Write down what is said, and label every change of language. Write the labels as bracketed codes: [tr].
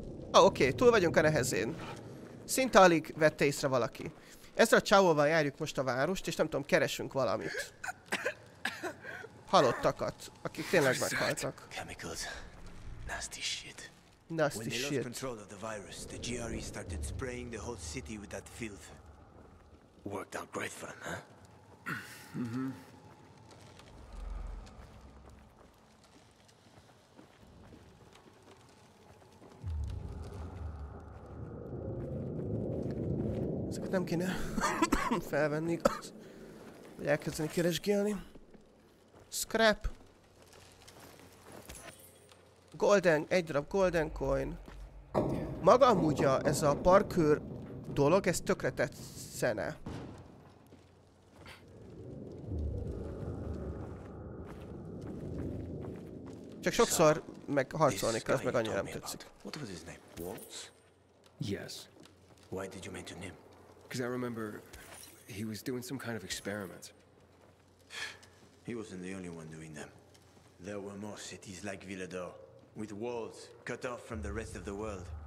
[hu] Ah, oké, okay, túl vagyunk a nehezén. Szinte alig vette észre valaki. Ezzel a csávóval járjuk most a várost, és nem tudom, keresünk valamit. Halottakat, akik tényleg meghaltak. [en] Chemicals. Nasty shit. Nasty shit. When they lost control of the virus, the GRE started spraying the whole city with that filth. Worked out great for them, huh? Mm-hmm. [hu] Ezeket nem kéne felvenni, hogy elkezdeni keresgélni. Scrap. Golden, egy darab golden coin. Maga amúgy ez a parkőr dolog, ez tökre tetszene. Csak sokszor meg harcolni kell, meg annyira nem tetszik. [en] What was his name? Waltz? Yes. Why did you mention him? Because I remember he was doing some kind of experiment. He wasn't the only one doing them. There were more cities like Villador, with walls cut off from the rest of the world.